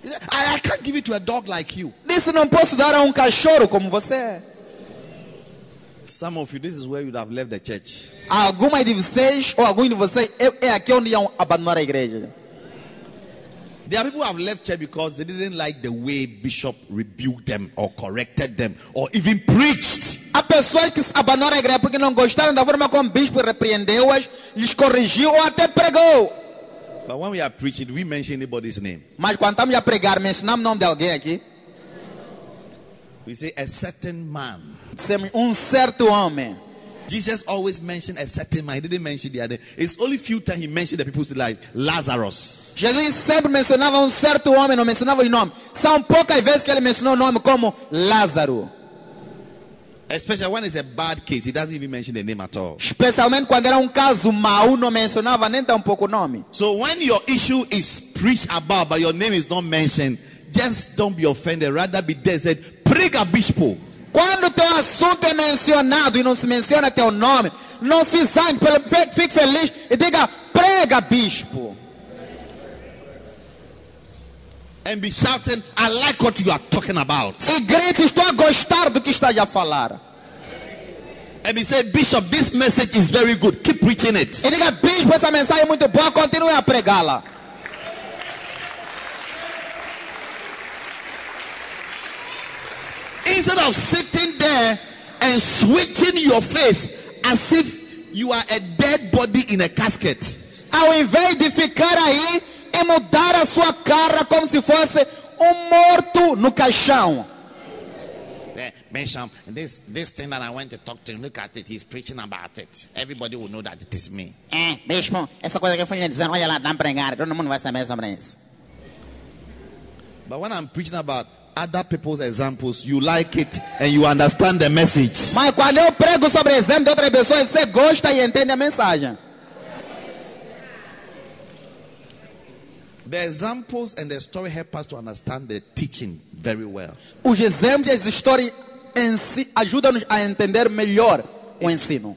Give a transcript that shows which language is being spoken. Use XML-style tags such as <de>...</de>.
<en>I can't give it to a dog like you.</en> <pt>Disse, não posso dar a um cachorro como você.</pt> <en>Some of you, this is where you would have left the church.</en> <pt>Alguma de vocês ou algum de vocês é aqui onde iam abandonar a igreja.</pt> <en>There are people who have left church because they didn't like the way Bishop rebuked them or corrected them or even preached.</en> <pt>Há pessoas que abandonaram a igreja porque não gostaram da forma como o bispo repreendeu-as, lhes corrigiu ou até pregou.</pt> <en>But when we are preaching, we mention anybody's name.</en> <pt>Mas quando estamos a pregar, mencionamos o nome de alguém aqui.</pt> <en>We say a certain man.</en> <pt>Um certo homem.</pt> <en>Jesus always mentioned a certain man. He didn't mention the other. It's only few times he mentioned the people like Lazarus.</en> <pt>Jesus sempre mencionava um certo homem, não mencionava o nome. São poucas vezes que ele mencionou o nome como Lázaro.</pt> <en>Especially when it's a bad case, he doesn't even mention the name at all.</en> <pt>Especialmente quando era caso mau, não mencionava nem tão pouco o nome.</pt> <en>So when your issue is preached about, but your name is not mentioned, just don't be offended. Rather be there. Said,</en> <pt>prega bispo. Quando teu assunto é mencionado e não se menciona teu nome, não se zangue, fique feliz e diga, prega bispo.</pt> <en>And be shouting, I like what you are talking about.</en> <pt>E grite, estou a gostar do que está a falar.</pt> <en>And be saying, bishop, this message is very good. Keep preaching it.</en> <pt>E diga, bispo, essa mensagem é muito boa, continue a pregá-la.</pt> <en>instead of sitting there and switching your face as if you are a dead body in a casket.</en> <pt>Ao invés de ficar aí e mudar a sua cara como se fosse morto no caixão.</pt> <en>Bishop, this thing that I went to talk to him, look at it, he's preaching about it. Everybody will know that it is me.</en> <pt>Bishop, essa coisa que eu fui dizendo, olha lá, dá para pregar, todo mundo vai saber sobre isso.</pt> <en>But when I'm preaching about other people's examples, you like it and you understand the message.</en> <pt>Mas quando eu prego sobre exemplo de outra pessoa, você gosta e entende a mensagem.</pt> <en>The examples and the story help us to understand the teaching very well.</en> <pt>Os exemplos e as histórias em si ajudam-nos a entender melhor o ensino.</pt>